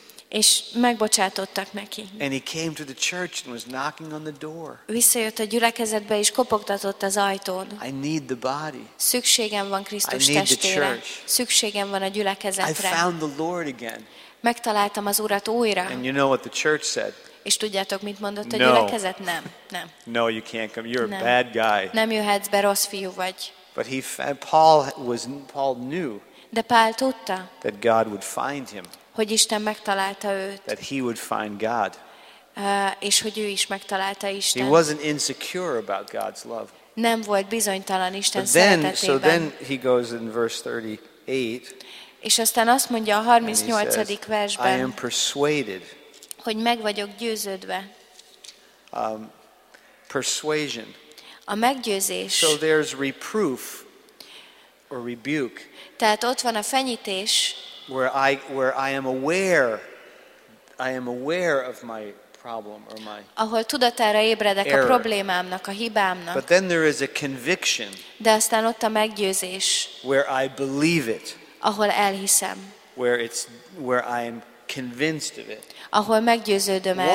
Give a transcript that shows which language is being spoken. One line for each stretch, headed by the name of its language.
Hungarian: És megbocsátottak neki.
English: And he came to the church and was knocking on the door.
Hungarian: Visszajött a gyülekezetbe és kopogtatott az ajtón.
English: I need the body.
Hungarian: Szükségem van Krisztus testére.
English: I need
Hungarian: testére.
English: The church.
Hungarian: Szükségem van a gyülekezetre.
English: I found the Lord again.
Hungarian: Megtaláltam az Urat újra.
English: And you know what the church said?
Hungarian: És tudjátok, mit mondott a
English: no.
Hungarian: gyülekezet? Nem, nem.
English: No, you can't come. You're
Hungarian: nem.
English: A bad guy.
Hungarian: Nem jöhetsz be, rossz fiú vagy.
English: But Paul knew.
Hungarian: De Pál tudta.
English: That God would find him.
Hungarian: Hogy Isten megtalálta őt.
English: That he would find God.
Hungarian: És hogy ő is megtalálta Isten.
English: He wasn't insecure about God's love.
Hungarian: Nem volt bizonytalan Isten szeretetében.
English: So then he goes in verse 38.
Hungarian: És aztán azt mondja a 38. versben.
English: I am persuaded.
Hungarian: hogy meg vagyok győződve.
English: Persuasion.
Hungarian: A meggyőzés.
English: So there's reproof or rebuke.
Hungarian: Tehát ott van a fenyítés.
English: Where I am aware of my problem or my error.
Hungarian: Ahol tudatára ébredek a problémámnak, a hibámnak.
English: But then there is a conviction.
Hungarian: De aztán ott a meggyőzés.
English: Where I believe it.
Hungarian: Ahol elhiszem.
English: Where I am convinced of it.
Hungarian: Ahol meggyőződöm erről.